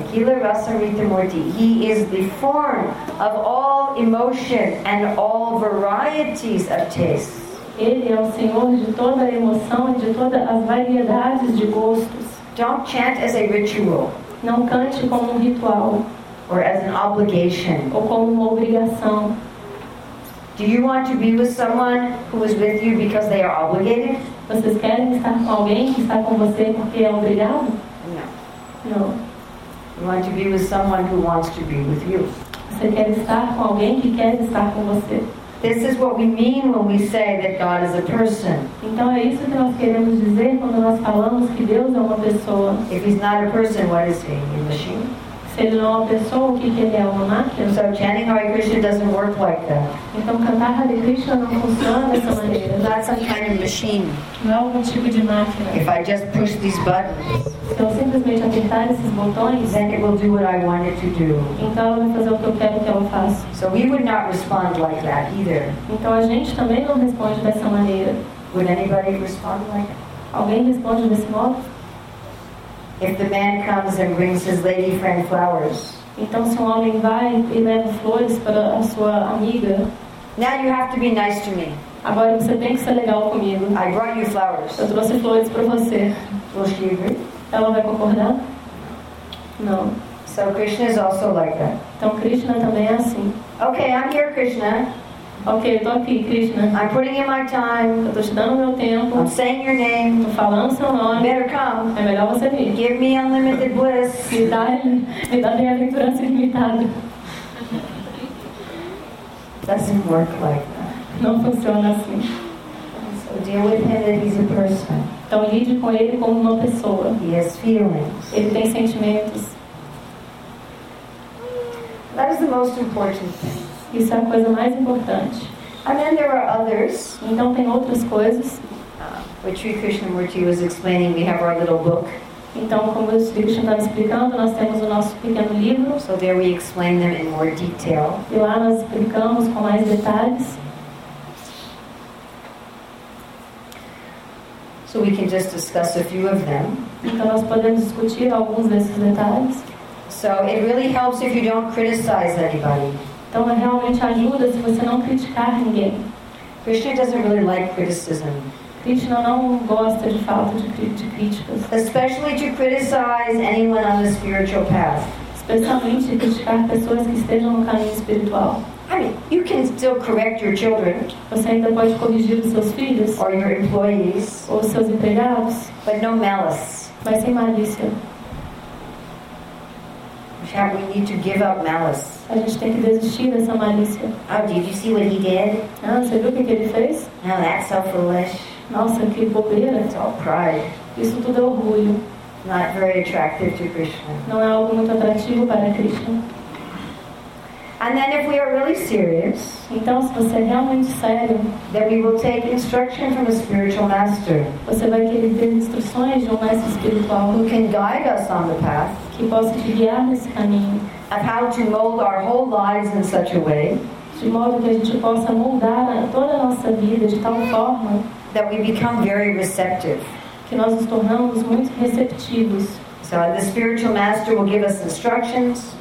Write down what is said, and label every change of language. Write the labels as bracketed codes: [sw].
[en] Akhila Rasamritamurti, he is the form of all emotion and all varieties of tastes. [pt] Ele é o senhor de toda a emoção e de todas as variedades de gostos. [en] Don't chant as a ritual. [pt] Não cante como um ritual. [en] Or as an obligation. [pt] Ou como uma obrigação. [en] Do you want to be with someone who is with you because they are obligated? [pt] Vocês querem estar com alguém que está com você porque é obrigado? [en] No. No. You want to be with someone who wants to be with you. [pt] Você quer estar com alguém que quer estar com você. [en] This is what we mean when we say that God is a person. [pt] Então é isso que nós queremos dizer quando nós falamos que Deus é uma pessoa. [en] If he's not a person, what is he? A machine? [pt] Se ele não é uma pessoa, o que ele é, uma máquina? [en] So chanting Hare Krishna doesn't work like that. [pt] Então cantar Hare Krishna não funciona dessa maneira. [en] That's some kind of machine. [pt] Não é algum tipo de máquina. [en] If I just push these buttons, [pt] se eu simplesmente apertar esses botões, [en] then it will do what I want it to do. [pt] Então ela vai fazer o que eu quero que ela faça. [en] So we would not respond like that either. [pt] Então a gente também não responde dessa maneira. [en] Would anybody respond like that? [pt] Alguém responde desse modo? [en] If the man comes and brings his lady friend flowers, [pt] então se um homem vai e leva flores para a sua amiga, [en] now you have to be nice to me. [pt] Agora você tem que ser legal comigo. [en] I brought you flowers. [pt] Eu trouxe flores para você. [en] Will she agree? [pt] Ela vai concordar? Não. [en] So Krishna is also like that. [pt] Então Krishna também é assim. [en] Okay, I'm here, Krishna. [pt] Okay, eu tô aqui, Krishna. [en] I'm putting in my time. [pt] Eu tô te dando meu tempo. [en] I'm saying your name. [pt] Tô falando seu nome. [en] Better come. [pt] É melhor você vir. [en] Give me unlimited bliss. [pt] Me dá bem-aventurança ilimitada. [en] Doesn't work like that. [pt] Não funciona assim. [en] So deal with him that he's a person. [pt] Então lide com ele como uma pessoa. [en] He has feelings. [pt] Ele tem sentimentos. [en] That is the most important thing. [pt] Isso é a coisa mais importante. [en] And then there are others. [pt] Então tem outras coisas. [en] Which Sri Krishnamurti was explaining, we have our little book. [pt] Então, como o Sri Krishna estava explicando, nós temos o nosso pequeno livro. [en] So there we explain them in more detail. [pt] E lá nós explicamos com mais detalhes. [en] So we can just discuss a few of them. [pt] Então nós podemos discutir alguns desses detalhes. [en] So it really helps if you don't criticize anybody. [pt] Então realmente ajuda se você não criticar ninguém. [en] Krishna doesn't really like criticism. [pt] Krishna não gosta de falta de críticas. [en] Especially to criticize anyone on the spiritual path. [pt] Especialmente criticar pessoas que estejam no caminho espiritual. [en] I mean, you can still correct your children. [pt] Você ainda pode corrigir os seus filhos. [en] Or your employees. [pt] Ou seus empregados. [en] But no malice. [pt] Mas sem malícia. [en] We need to give up malice. [pt] A gente tem que desistir dessa malícia. [en] Oh, did you see what he did? [pt] Ah, você viu o que ele fez? [en] Now that's so foolish. [pt] Nossa, que bobeira. [en] It's all pride. [pt] Isso tudo é orgulho. [en] Not very attractive to Krishna. [pt] Não é algo muito atrativo para Krishna. [en] And then if we are really serious, [pt] então se você é realmente sério, [en] then we will take instruction from a spiritual master. [pt] Você vai querer ter instruções de um mestre espiritual [en] who can guide us on the path. [pt] Que possa te guiar nesse caminho. [en] of how to mold our whole lives in such a way that we become very receptive. [pt] Que nós nos tornamos muito receptivos. [en] So the spiritual master will give us instructions.